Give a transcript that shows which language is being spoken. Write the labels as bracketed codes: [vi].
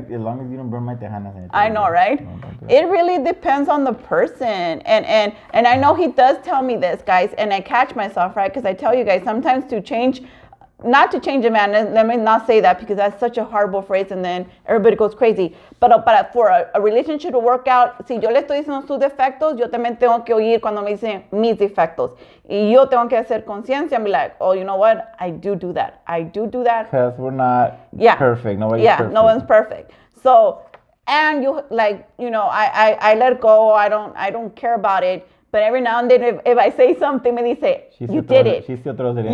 [en] As long as you don't burn my tejanas. I know, right? It really depends on the person. And I know he does tell me this, guys. And I catch myself, right? Because I tell you guys, sometimes to change... Not to change a man, let me not say that because that's such a horrible phrase and then everybody goes crazy. But for a relationship to work out, [es] si yo le estoy diciendo sus defectos, yo también tengo que oír cuando me dicen mis defectos. Y yo tengo que hacer conciencia [en] and be like, oh, you know what? I do that. Because we're not perfect. Nobody's perfect. No one's perfect. So, and you, like, you know, I let go. I don't care about it. But every now and then, if I say something, they say, you did it. She still throws it in.